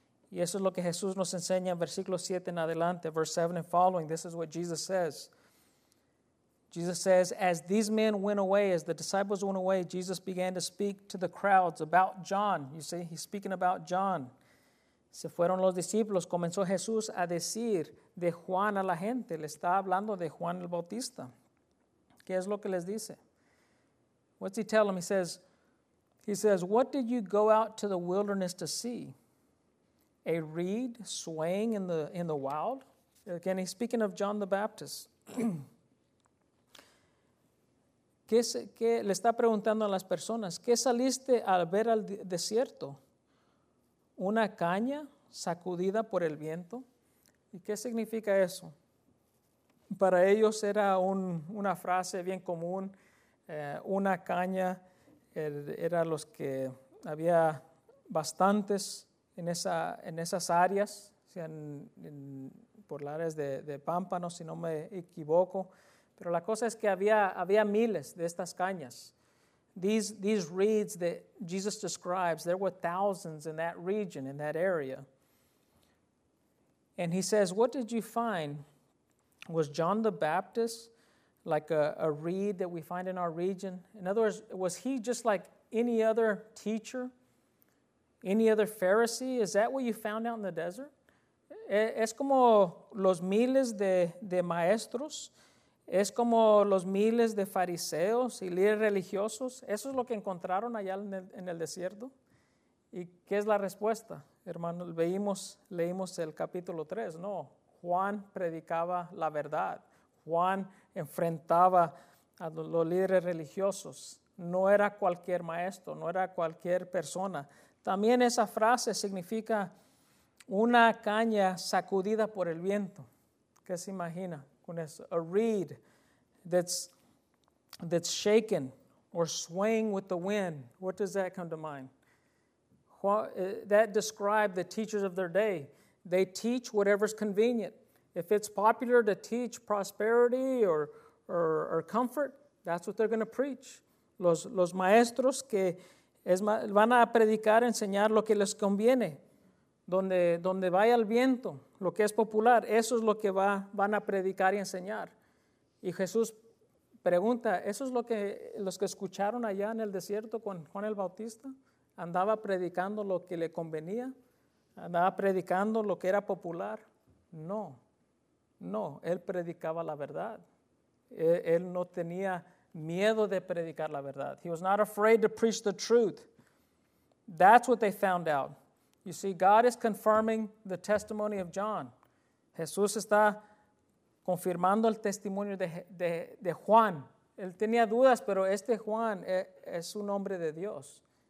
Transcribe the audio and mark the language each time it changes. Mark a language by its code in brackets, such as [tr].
[es] Y eso es lo que Jesús nos enseña en versículo 7 en adelante, [en] verse 7 and following. This is what Jesus says. Jesus says, as these men went away, as the disciples went away, Jesus began to speak to the crowds about John. You see, he's speaking about John. [es] Se fueron los discípulos, comenzó Jesús a decir de Juan a la gente. Le está hablando de Juan el Bautista. ¿Qué es lo que les dice? [en] What's he tell them? He says, what did you go out to the wilderness to see? A reed swaying in the wild? Again, he's speaking of John the Baptist. [es] ¿Qué le está preguntando a las personas? ¿Qué saliste al ver al desierto? ¿Una caña sacudida por el viento? ¿Y qué significa eso? Para ellos era una frase bien común. Una caña era los que había bastantes en esas áreas, o sea, por las áreas de Pámpano, si no me equivoco. Pero la cosa es que había miles de estas cañas. [en] These reeds that Jesus describes, there were thousands in that region, in that area. And he says, what did you find? Was John the Baptist like a reed that we find in our region? In other words, was he just like any other teacher, any other Pharisee? Is that what you found out in the desert? [es] Es como los miles de maestros. ¿Es como los miles de fariseos y líderes religiosos? ¿Eso es lo que encontraron allá en el desierto? ¿Y qué es la respuesta? Hermano, leímos el capítulo 3. No, Juan predicaba la verdad. Juan enfrentaba a los líderes religiosos. No era cualquier maestro, no era cualquier persona. También esa frase significa una caña sacudida por el viento. ¿Qué se imagina? [en] A reed that's shaken or swaying with the wind. What does that come to mind? That described the teachers of their day. They teach whatever's convenient. If it's popular to teach prosperity or comfort, that's what they're going to preach. [es] Los maestros que van a predicar, enseñar lo que les conviene. Donde vaya el viento, lo que es popular, eso es lo que van a predicar y enseñar. Y Jesús pregunta, ¿eso es lo que los que escucharon allá en el desierto con Juan el Bautista? ¿Andaba predicando lo que le convenía? ¿Andaba predicando lo que era popular? No, él predicaba la verdad. Él no tenía miedo de predicar la verdad. [en] He was not afraid to preach the truth. That's what they found out. You see, God is confirming the testimony of John. [es] Jesús está confirmando el testimonio de Juan. Él tenía dudas, pero este Juan es un hombre de Dios.